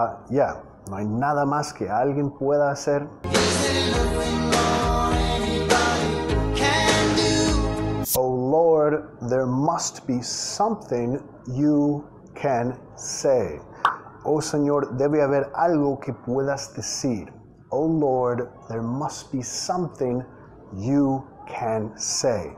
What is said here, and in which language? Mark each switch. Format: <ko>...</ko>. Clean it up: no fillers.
<es>Yeah, no hay nada más que alguien pueda hacer.</es> <en>Is there nothing more anybody can do? Oh Lord, there must be something you can say.</en> <es>Oh Señor, debe haber algo que puedas decir.</es> <en>Oh Lord, there must be something you can say.</en>